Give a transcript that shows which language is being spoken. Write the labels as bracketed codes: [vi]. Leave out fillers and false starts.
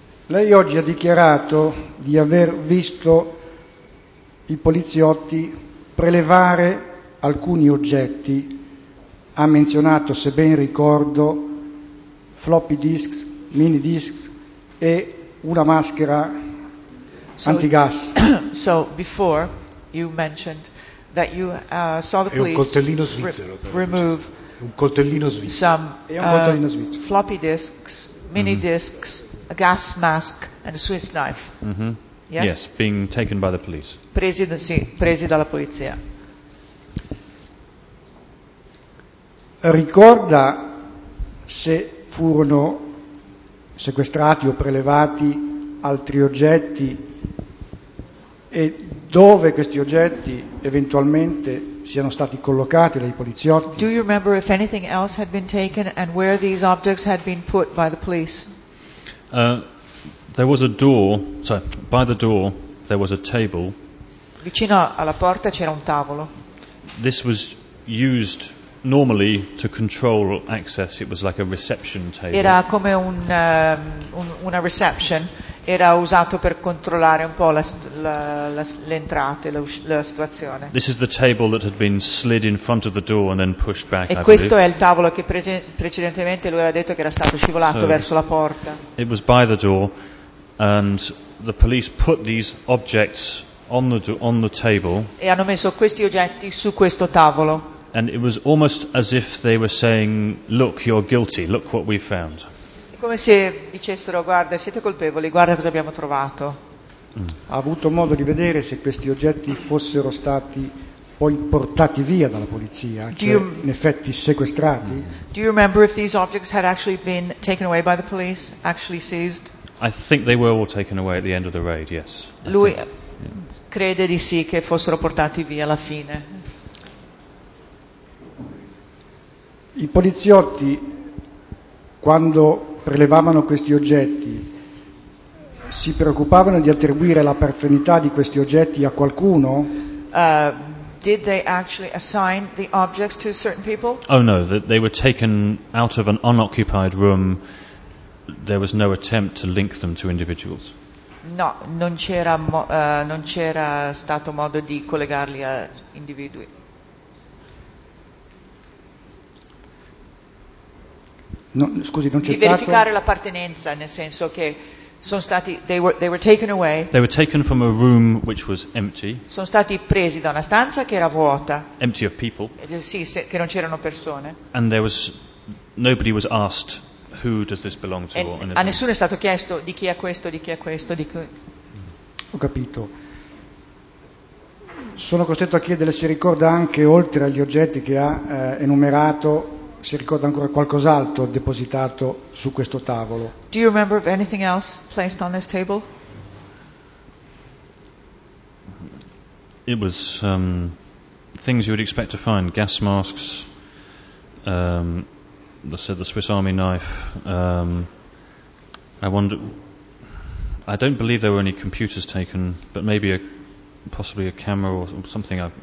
[it] Lei oggi ha dichiarato di aver visto i poliziotti prelevare alcuni oggetti, ha menzionato, se ben ricordo, floppy disks, mini disks e una maschera antigas. [en] So before you mentioned that you saw the police remove [it] un coltellino svizzero. [en] Some floppy disks, mini disks, a gas mask and a Swiss knife. Mm-hmm. Yes? Yes, being taken by the police. [it] Presi dalla polizia. Ricorda se furono sequestrati o prelevati altri oggetti e dove questi oggetti eventualmente siano stati collocati dai poliziotti? [en] Do you remember if anything else had been taken and where these objects had been put by the police? There was a door, sorry, by the door there was a table. [it] Vicino alla porta c'era un tavolo. [en] This was used normally to control access, it was like a reception table. [it] Era come una reception, era usato per controllare un po' le entrate, la situazione. [en] This is the table that had been slid in front of the door and then pushed back. [it] E questo è il tavolo che precedentemente lui aveva detto che era stato scivolato verso la porta. [en] It was by the door and the police put these objects on the table. [it] E hanno messo questi oggetti su questo tavolo. [en] And it was almost as if they were saying, look, you're guilty, look what we found. [it] Come se dicessero, guarda, siete colpevoli, guarda cosa abbiamo trovato. Ha avuto modo di vedere se questi oggetti fossero stati poi portati via dalla polizia, in effetti sequestrati? [en] Do you remember if these objects had actually been taken away by the police, actually seized? I think they were all taken away at the end of the raid, yes. [it] Lui crede di sì che fossero portati via alla fine. I poliziotti, quando prelevavano questi oggetti, si preoccupavano di attribuire la paternità di questi oggetti a qualcuno? [en] Did they actually assign the objects to certain people? Oh no, they were taken out of an unoccupied room. There was no attempt to link them to individuals. [it] No, non c'era stato modo di collegarli a individui. di verificare l'appartenenza, nel senso che sono stati [en] they were taken away. They were taken from a room which was empty. [it] Sono stati presi da una stanza che era vuota. [en] Empty of people. [it] Sì, che non c'erano persone. [en] And there was nobody was asked who does this belong to. [it] A nessuno è stato chiesto di chi è questo, di chi è questo, di chi... Ho capito. Sono costretto a chiedere se ricorda anche, oltre agli oggetti che ha enumerato, si ricorda ancora qualcos'altro depositato su questo tavolo. [en] Do you remember of anything else placed on this table? It was things you would expect to find: gas masks, the Swiss Army knife. I wonder. I don't believe there were any computers taken, but maybe possibly a camera or something.